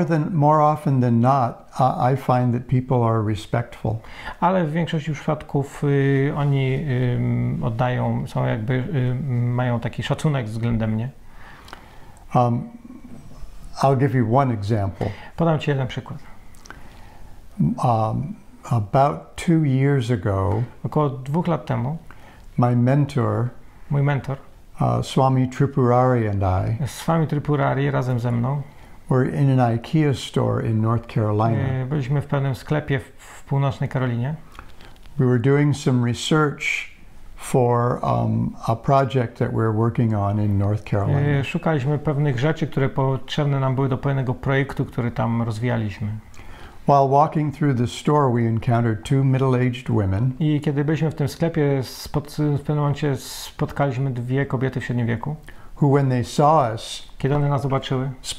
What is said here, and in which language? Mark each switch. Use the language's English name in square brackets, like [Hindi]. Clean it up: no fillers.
[English] More often than not, I find that people are respectful. [Polish] Ale w większości przypadków oni oddają, są jakby mają taki szacunek względem mnie. [English] I'll give you one example. [Polish] Podam ci jeden przykład. [English] About 2 years ago, [Polish] około 2 lat temu, mój mentor. [English] Swami Tripurari and I. [Polish] Swami Tripurari razem ze mną. [English] We're in an IKEA store in North Carolina. [Polish] Byliśmy w pewnym sklepie w północnej Karolinie. [English] We were doing some research for a project that we're working on in North Carolina. [Polish] Szukaliśmy pewnych rzeczy, które potrzebne nam były do pewnego projektu, który tam rozwijaliśmy. [English] While walking through the store, we encountered two middle-aged women. [Polish] I kiedy byliśmy w tym sklepie, w pewnym momencie spotkaliśmy dwie kobiety w średnim wieku. [English] Who, when they saw us, [Polish] kiedy one nas zobaczyły,